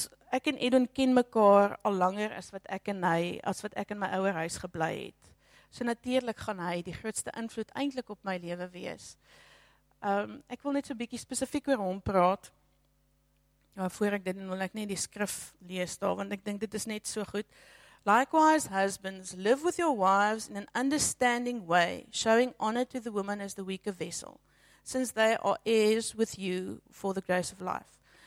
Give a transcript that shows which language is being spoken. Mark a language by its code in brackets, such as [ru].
[af] Ek en Edwin ken mekaar al langer as wat ek in my ouer huis gebly het. So natuurlik gaan hy die grootste invloed eintlik op my lewe wees. Ek wil net so 'n bietjie spesifiek oor hom praat. Ja, voor ek dit doen, wil ek net die skrif lees daar, want ek dink dit is net so goed. [en] Likewise, husbands, live with your wives in an understanding way, showing honor to the woman as the weaker vessel, since they are heirs with you for the grace of life.